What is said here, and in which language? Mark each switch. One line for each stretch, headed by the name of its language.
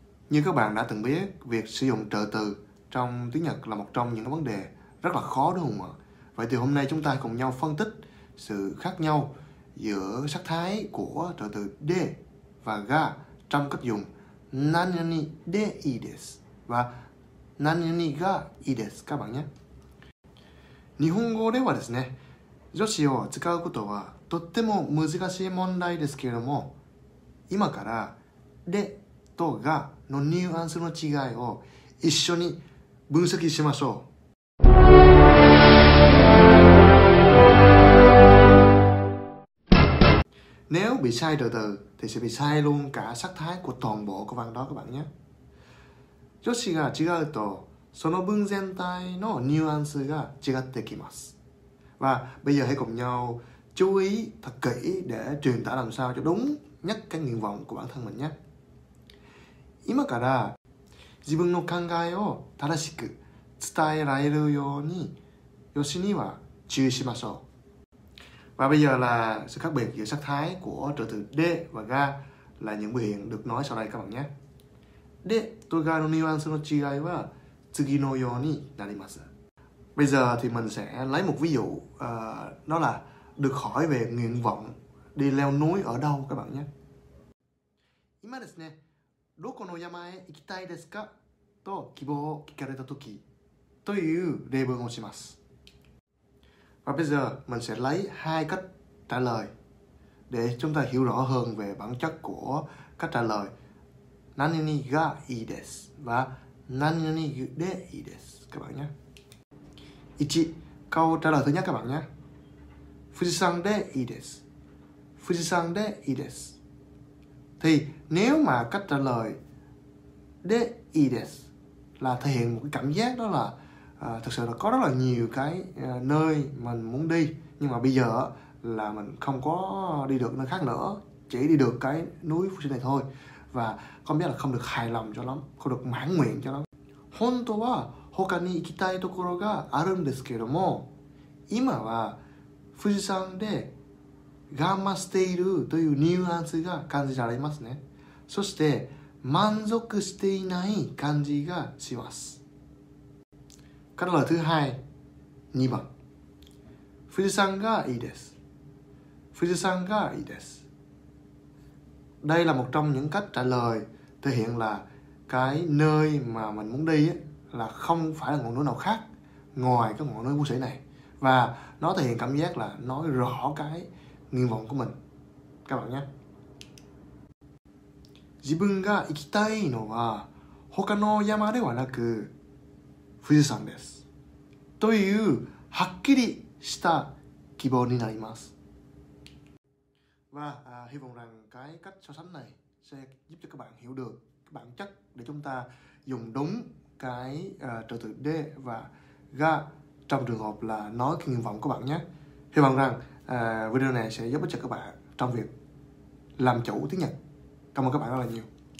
Vietnamese: Như các bạn đã từng biết, việc sử dụng trợ từ trong tiếng Nhật là một trong những vấn đề rất là khó đúng không ạ? Vậy thì hôm nay chúng ta cùng nhau phân tích sự khác nhau giữa sắc thái của trợ từ de và ga trong cách dùng
Japanese: nanani de ides
Vietnamese: và
Japanese: nanani ga ides
Vietnamese: các bạn nhé.
Japanese: Nihongo ではですね、助詞を使うことはとっても難しい問題ですけれども、今からでとがのニュアンスの違いを一緒に分析しましょう。
Vietnamese: Nếu bị sai từ từ thì sẽ bị sai luôn cả sắc thái của toàn bộ của văn đó các bạn nhé.
Japanese: 助詞が違うとその文全体のニュアンスが違ってきます。
Vietnamese: Và bây giờ hãy cùng nhau chú ý thật kỹ để truyền tải làm sao cho đúng nhất cái nguyện vọng của bản thân mình nhé.
Japanese: 今から自分の考えを正しく伝えられるように、よしには注意しましょう。
Vietnamese: Và bây giờ là sự khác biệt giữa sắc thái của trợ từ で và が là những biểu hiện được nói sau đây các bạn nhé.
Japanese: で、とがのニュアンスの違いは次のようになります。
Vietnamese: Bây giờ thì mình sẽ lấy một ví dụ, đó là được hỏi về nguyện vọng đi leo núi ở đâu các bạn nhé.
Japanese: 今ですね、どこの山へ行きたいですかと希望を聞かれた時という例文をします。
Vietnamese: Và bây giờ mình sẽ lấy hai cách trả lời để chúng ta hiểu rõ hơn về bản chất của cách trả lời
Japanese: 何々がいいです
Vietnamese: và
Japanese: 何々でいいです
Vietnamese: các bạn nhé. 1. Câu trả lời thứ nhất các bạn nhé.
Japanese: 富士山でいいです富士山でいいです
Vietnamese: Thì nếu mà cách trả lời
Japanese: でいいです
Vietnamese: là thể hiện một cái cảm giác đó là thực sự là có rất là nhiều cái nơi mình muốn đi, nhưng mà bây giờ là mình không có đi được nơi khác nữa, chỉ đi được cái núi Fuji này thôi. Và không biết là không được hài lòng cho lắm, không được mãn nguyện cho lắm.
Japanese: 本当は他に行きたいところがあるんですけども、今は富士山で頑張っているというニュアンスが感じられますね。そして満足していない感じがします。
Vietnamese: Câu trả lời thứ hai, 2 bằng.
Japanese: Fujisan ga ii desu. Fujisan ga ii desu.
Vietnamese: Đây là một trong những cách trả lời thể hiện là cái nơi mà mình muốn đi là không phải là ngọn núi nào khác ngoài cái ngọn núi Fuji sĩ này. Và nó thể hiện cảm giác là nói rõ cái nguyện vọng của mình. Các bạn nhé.
Japanese: Jibun ga ikitai no wa hoka no yama dewa naku 富士山です。というはっきりした希望になります。
Vietnamese: Và hy vọng rằng cái cách so sánh này sẽ giúp cho các bạn hiểu được bản chất để chúng ta dùng đúng cái trợ từ de và ga trong trường hợp là nói cái nguyện vọng của bạn nhé. Hy vọng rằng video này sẽ giúp cho các bạn trong việc làm chủ tiếng Nhật. Cảm ơn các bạn rất là nhiều.